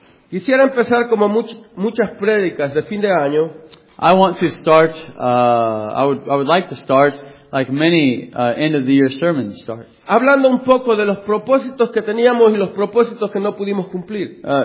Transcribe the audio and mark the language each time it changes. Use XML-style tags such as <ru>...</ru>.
<es>Quisiera empezar como muchas prédicas de fin de año.</es> <en>I want to start, I would like to start like many end of the year sermons start.</en> <es>Hablando un poco de los propósitos que teníamos y los propósitos que no pudimos cumplir.</es>